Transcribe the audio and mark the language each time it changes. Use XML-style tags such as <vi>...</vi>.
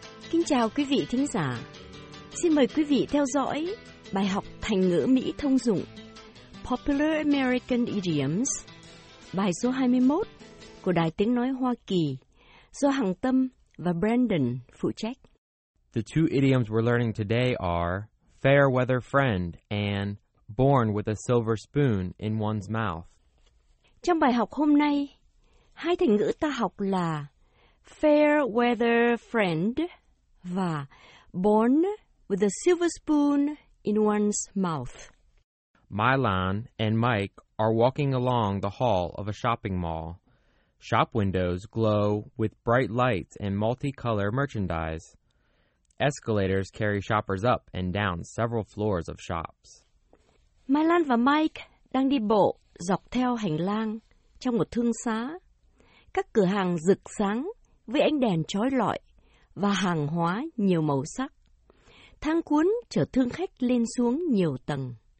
<vi>Kính chào quý vị thính giả. Xin mời quý vị theo dõi bài học thành ngữ Mỹ thông dụng</vi> <en>Popular American Idioms,</en> <vi>bài số 21 của Đài Tiếng Nói Hoa Kỳ do Hằng Tâm và Brandon phụ trách.</vi> <en>The two idioms we're learning today are fair weather friend and born with a silver spoon in one's mouth.</en> <vi>Trong bài học hôm nay, hai thành ngữ ta học là</vi> <en>fair weather friend</en> <vi>và</vi> <en>born with a silver spoon in one's mouth. Mylon and Mike are walking along the hall of a shopping mall. Shop windows glow with bright lights and multicolor merchandise. Escalators carry shoppers up and down several floors of shops.</en> <vi>Mylon và Mike đang đi bộ dọc theo hành lang trong một thương xá. Các cửa hàng rực sáng với ánh đèn chói lọi và hàng hóa nhiều màu sắc. Thang cuốn chở thương khách lên xuống nhiều tầng.</vi>